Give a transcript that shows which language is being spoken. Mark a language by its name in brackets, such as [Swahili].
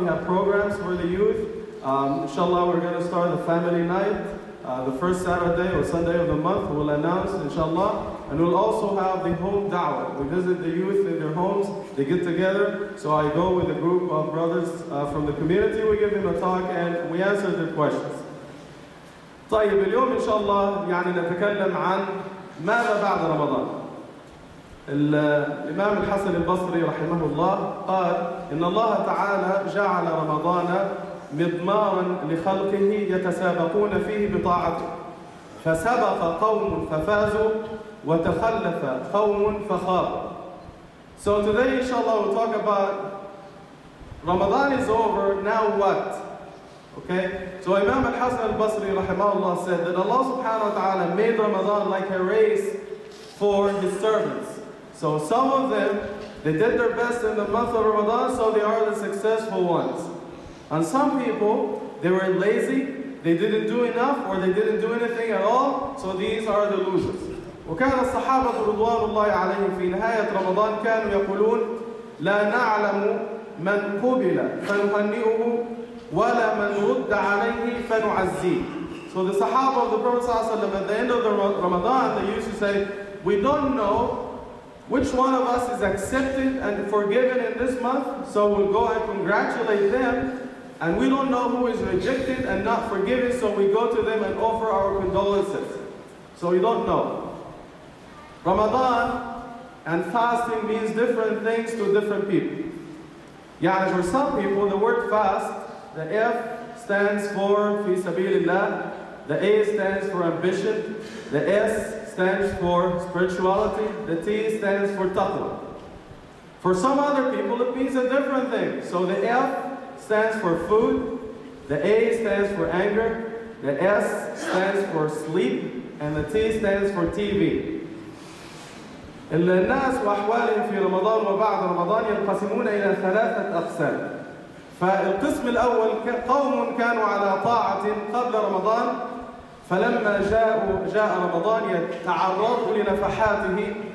[English] We have programs for the youth. Inshallah, we're going to start the family night, the first Saturday or Sunday of the month, we'll announce, inshallah. And we'll also have the home da'wah. We visit the youth in their homes, they get together. So I go with a group of brothers from the community, we give them a talk, and we answer their questions. [Arabic] طيب اليوم إن شاء الله يعني نتكلم عن ماذا بعد رمضان. الإمام الحسن البصري رحمه الله قال إن الله تعالى جعل رمضان مضمارا لخلقه يتسابقون فيه بطاعته، فسبق قوم ففازوا وتخلف قوم فخابوا. [English] So today [Arabic] إن شاء الله [English] we'll talk about Ramadan is over, now what? Okay, so Imam al-Hasan al-Basri rahimahullah said that Allah subhanahu wa ta'ala made Ramadan like a race for his servants. So some of them, they did their best in the month of Ramadan, so they are the successful ones. And some people, they were lazy, they didn't do enough, or they didn't do anything at all, so these are the losers. [Arabic] وكان الصحابة رضوان الله عليهم في نهاية رمضان كانوا يقولون لا نعلم من قبل فنهنئه ولا من رد عليه فنعزيه. [English] So the Sahaba of the Prophet ﷺ, at the end of the Ramadan, they used to say, we don't know which one of us is accepted and forgiven in this month, so we'll go and congratulate them, and we don't know who is rejected and not forgiven, so we go to them and offer our condolences. So we don't know. Ramadan and fasting means different things to different people. Yeah, for some people, the word fast, the F stands for fi sabilillah, the A stands for ambition, the S stands for spirituality, the T stands for taqwa. For some other people, it means a different thing. So the F stands for food, the A stands for anger, the S stands for sleep, and the T stands for TV. [Arabic] الناس وأحوالهم في رمضان وبعد رمضان ينقسمون إلى ثلاثة أقسام. فالقسم الأول قوم كانوا على طاعة قبل رمضان، فلما جاء رمضان يتعرضوا لنفحاته